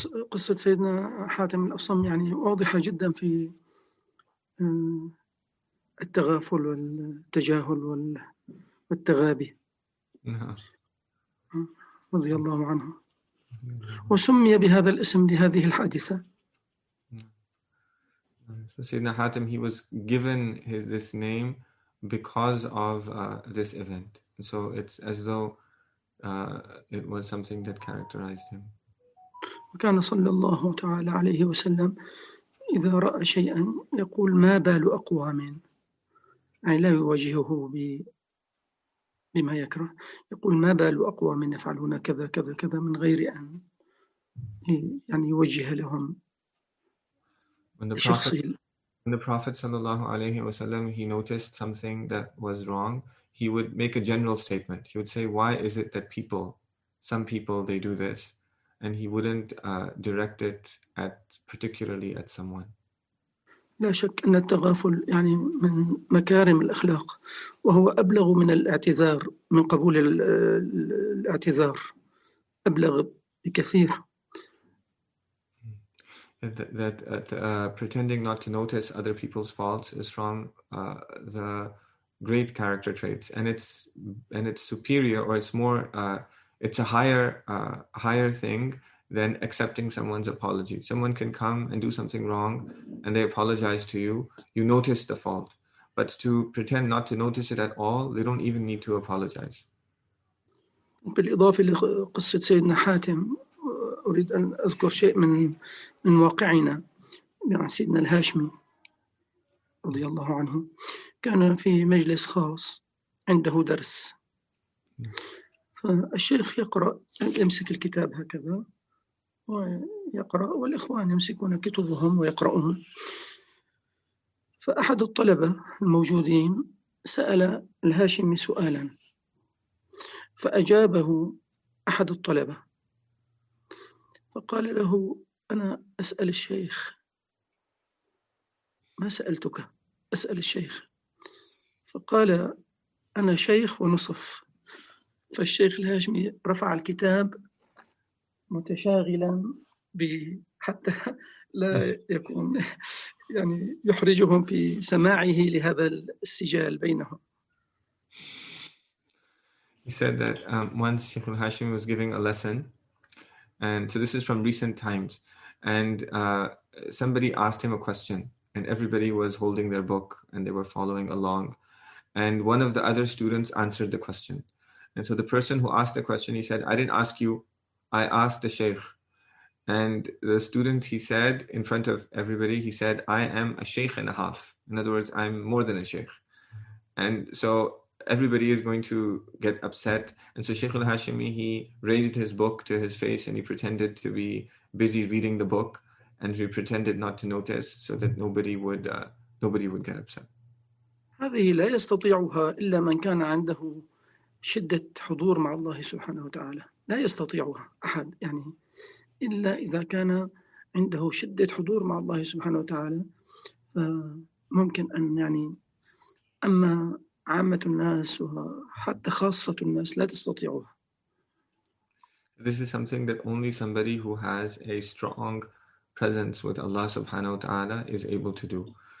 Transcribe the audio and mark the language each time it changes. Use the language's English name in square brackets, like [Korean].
[Arabic] قصة سيدنا حاتم الأصم يعني واضحة جدا في التغافل والتجاهل والتغابي رضي الله عنه, وسمي بهذا الاسم لهذه الحادثة. [English] سيدنا حاتم, he was given this name because of this event, so it's as though it was something that characterized him. [Arabic] وكان صلى الله تعالى عليه وسلم إذا رأى شيئا يقول ما بال أقوام, يعني لا يواجهه بما يكره, يقول ما بال أقوام يفعلون كذا كذا كذا من غير أن يعني يوجه لهم شخصي. [English] When the Prophet sallallahu alaihi wasallam, he noticed something that was wrong, he would make a general statement. He would say, why is it that people, some people, they do this? And he wouldn't direct it at particularly at someone. [Arabic] لا شك أن التغافل يعني من مكارم الأخلاق وهو أبلغ من الاعتذار من قبول الاعتذار أبلغ بكثير. [English] That pretending not to notice other people's faults is from the great character traits, and it's superior, or it's more it's a higher thing than accepting someone's apology. Someone can come and do something wrong and they apologize to you, you notice the fault, but to pretend not to notice it at all, they don't even need to apologize. [Arabic] بالإضافة لقصة سيدنا حاتم أريد أن أذكر شيء من واقعنا مع سيدنا الهاشمي رضي الله عنه. كان في مجلس خاص عنده درس, فالشيخ يقرأ, يمسك الكتاب هكذا ويقرأ, والإخوان يمسكون كتبهم ويقرؤون. فأحد الطلبة الموجودين سأل الهاشمي سؤالا فأجابه أحد الطلبة, فقال له أنا أسأل الشيخ, ما سألتك, أسأل الشيخ. فقال أنا شيخ ونصف. فالشيخ الهاشمي رفع الكتاب متشاغلا حتى لا يكون يعني يحرجهم في سماعه لهذا السجال بينهم. [English] He said that once Sheikh al-Hashim was giving a lesson, and so this is from recent times, and somebody asked him a question, and everybody was holding their book and they were following along, and one of the other students answered the question. And so the person who asked the question, he said, I didn't ask you, I asked the sheikh. And the student, he said in front of everybody, he said, I am a sheikh and a half. In other words, I'm more than a sheikh. And so everybody is going to get upset. And so Sheikh al-Hashimi, he raised his book to his face and he pretended to be busy reading the book, and he pretended not to notice so that nobody would get upset. [Arabic] هذه لا يستطيعها إلا من كان عنده شدة حضور مع الله سبحانه وتعالى. لا يستطيعها أحد يعني إلا إذا كان عنده شدة حضور مع الله سبحانه وتعالى. فممكن أن يعني أما عامة الناس وحتى خاصة الناس لا تستطيعها. [English] This is something that only somebody who has a strong presence with Allah subhanahu wa ta'ala is able to do.